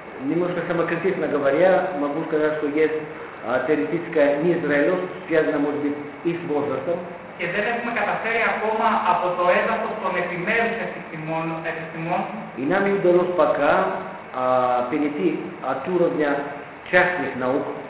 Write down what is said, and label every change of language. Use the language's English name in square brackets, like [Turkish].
[Russian] Немножко самокритично говоря, могу сказать, что есть теоретическая незрелость, связанная, может быть, и с возрастом. [Greek] Και δεν έχουμε καταφέρει ακόμα από το έδαφος των επιμέρους επιστημών. [Russian] И нам не удалось пока перейти от уровня частных наук.